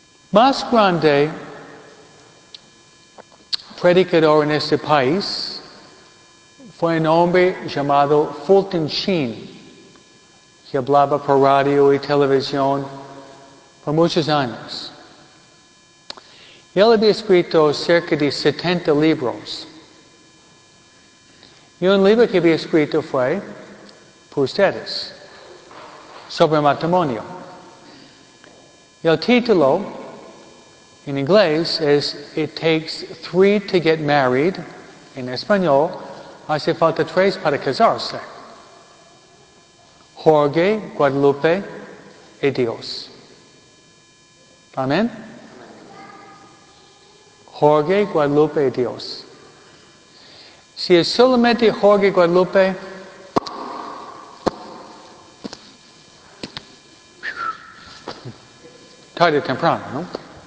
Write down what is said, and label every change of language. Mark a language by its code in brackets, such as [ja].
[es] Más grande predicador en este país fue un hombre llamado Fulton Sheen, que hablaba por radio y televisión por muchos años. Él había escrito cerca de 70 libros. Y un libro que había escrito fue Por Ustedes, sobre matrimonio. Y el título [en] in English, is it takes three to get married. [es] In español, hace falta tres para casarse. Jorge, Guadalupe, y Dios. Amen. Jorge, Guadalupe, y Dios. Si es solamente Jorge, Guadalupe, tarde o temprano, ¿no?